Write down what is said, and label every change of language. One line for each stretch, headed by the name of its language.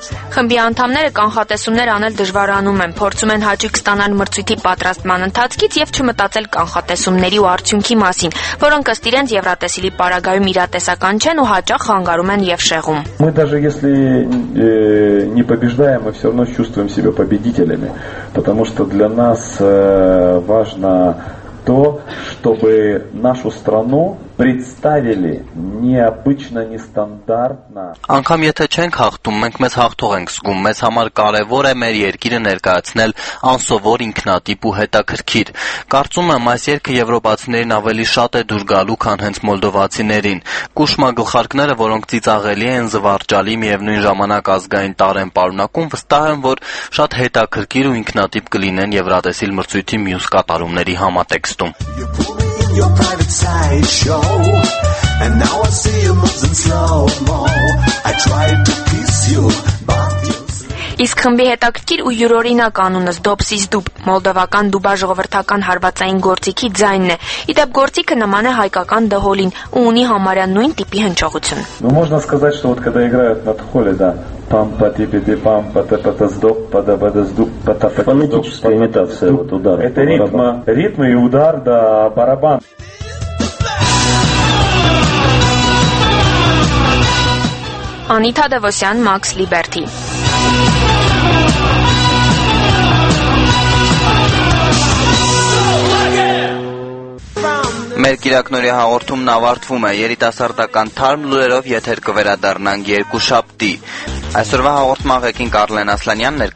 Armenian: Խմբի անդամները կանխատեսումներ անել դժվարանում են, փորձում են հաճույք ստանալ մրցույթի պատրաստման ընթացքից եւ չմտածել կանխատեսումների ու արդյունքի մասին, որոնք ըստ իրենց Եվրատեսիլի պարագայում իրատեսական չեն ու հաճախ խանգարում են եւ շեղում։
Russian: Мы даже если не побеждаем, мы всё равно чувствуем себя победителями, потому что для нас важно то, чтобы нашу страну представили необычно, нестандартно.
Armenian: Անկամ եթե չենք հաղթում, մենք մեզ հաղթող ենք զգում, մեզ համար կարևոր է մեր երկիրը ներկայացնել անսովոր ինքնատիպ ու հետաքրքիր։ Կարծում եմ, այս երկը եվրոպացիներին ավելի շատ է դուր գալու, քան հենց մոլդովացիներին։ Կուշմա գլխարկները, որոնք ծիծաղելի են, զվարճալի միևնույն ժամանակ ազգային տար են պարունակում, վստահ եմ, որ շատ հետաքրքիր ու ինքնատիպ կլինեն Եվրատեսիլ մրցույթի մյուս կատարումների համատեքստում։
English: Your private side show, and now I see you moving slow-mo. I tried to kiss you, but
Armenian: իսկ խմբի հետաքրքիր ու յուրօրինակ անունը Զդոպսից դուբ, մոլդովական դուբա ժողովրդական հարվածային գործիքի ձայնն է։ Իդեպ գործիքը նման է հայկական դհոլին ու ունի համարյա նույն տիպի հնչողություն։
Russian: Ну можно сказать, что вот когда играют на тхоле, да, пам-па-ти-пи-пам, па-та-па-та-здоп, па-да-па-да-здуп, па-та-па-та-здоп. Фонетическая имитация вот удара. Это ритм, ритм и удар, да, барабан.
Armenian: Անիտա Դևոսյան, Մաքս Լիբերթի։ Մեր կիրակնորի հաղորդումն ավարտվում է երիտասարդական թարմ լուրերով, եթեր կվերադառնանք երկու շաբթի։ Այսօրվա հաղորդման ղեկին Կարլեն Ասլանյան, ներկա հանդիպենք։